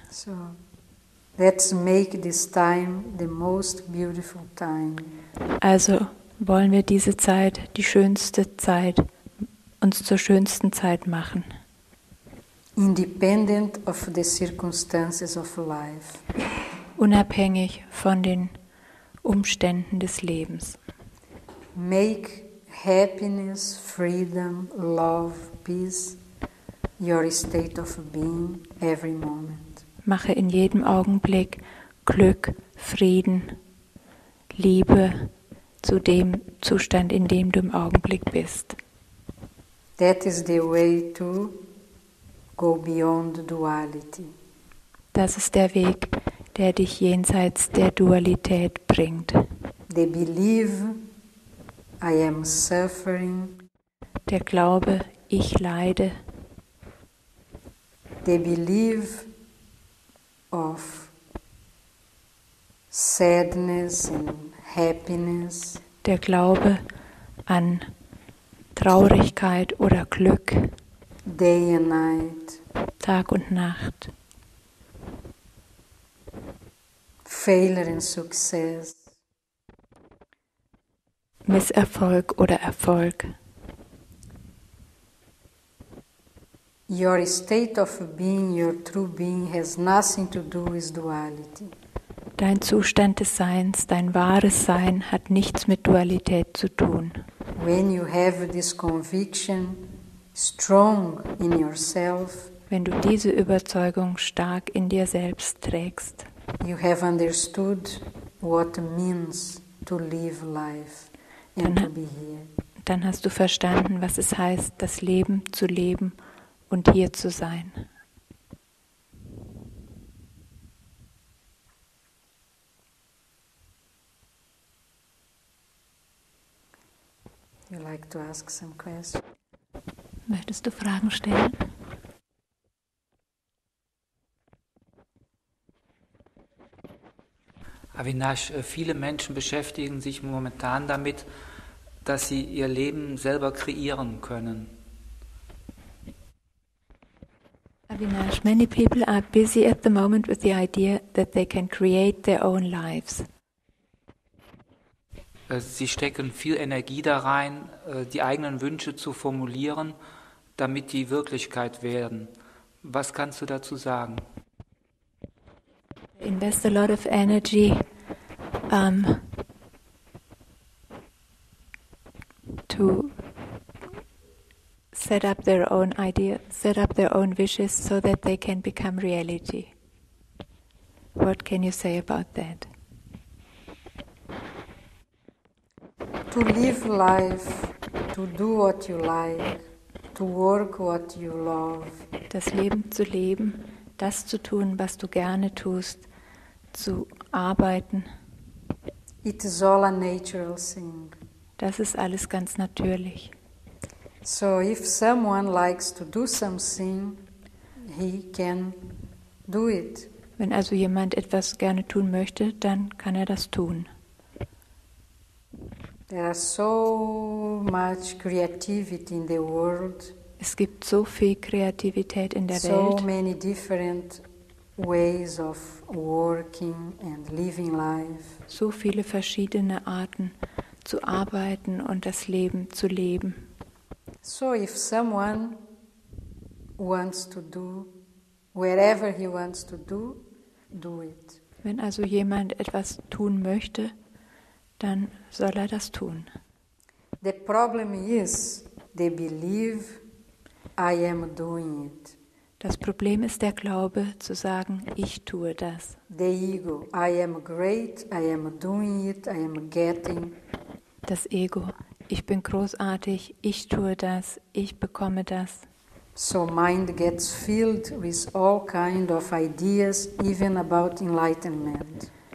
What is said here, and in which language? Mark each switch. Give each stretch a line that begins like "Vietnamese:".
English: So, let's make this time the most beautiful time.
German: Also wollen wir diese Zeit, die schönste Zeit, uns zur schönsten Zeit machen.
English: Independent of the circumstances of life.
German: Unabhängig von den Umständen des Lebens.
English: Make happiness, freedom, love, peace your state of being every moment.
German: Mache in jedem Augenblick Glück, Frieden, Liebe zu dem Zustand, in dem du im Augenblick bist.
English: That is the way to go beyond duality.
German: Das ist der Weg, der dich jenseits der Dualität bringt.
English: The belief I am suffering.
German: Der Glaube, ich leide.
English: The belief of sadness and happiness.
German: Der Glaube an Traurigkeit oder Glück.
English: Day and night.
German: Tag und Nacht.
English: failure and success.
German: Misserfolg oder Erfolg.
English: Your state of being, your true being, has nothing to do with duality.
German: Dein Zustand des Seins, dein wahres Sein, hat nichts mit Dualität zu tun.
English: When you have this conviction strong in yourself,
German: wenn du diese Überzeugung stark in dir selbst trägst,
English: you have understood what means to live life and to be here.
German: Dann hast du verstanden, was es heißt, das Leben zu leben und hier zu sein.
English: You like to ask some questions?
German: Möchtest du Fragen stellen? Avinash, viele Menschen beschäftigen sich momentan damit, dass sie ihr Leben selber kreieren können.
English: Avinash, many people are busy at the moment with the idea that they can create their own lives.
German: Sie stecken viel Energie da rein, die eigenen Wünsche zu formulieren, damit die Wirklichkeit werden. Was kannst du dazu sagen?
English: Invest a lot of energy to set up their own ideas, set up their own wishes so that they can become reality. What can you say about that? To live life, to do what you like, to work what you love.
German: Das Leben zu leben, das zu tun, was du gerne tust, zu arbeiten.
English: It is all a natural thing.
German: Das ist alles ganz natürlich.
English: So if someone likes to do something, he can do it.
German: Wenn also jemand etwas gerne tun möchte, dann kann er das tun.
English: There is so much creativity in the world.
German: Es gibt so viel Kreativität in der so Welt.
English: So many different ways of working and living life.
German: So viele verschiedene Arten zu arbeiten und das Leben zu leben.
English: So if someone wants to do wherever he wants to do, do it.
German: Wenn also jemand etwas tun möchte, dann soll er das tun.
English: The problem is, they believe I am doing it.
German: Das Problem ist der Glaube, zu sagen, ich tue das.
English: The ego, I am great, I am doing it, I am getting.
German: Das Ego, ich bin großartig, ich tue das, ich bekomme das.
English: So mind gets filled with all kind of ideas, even about enlightenment.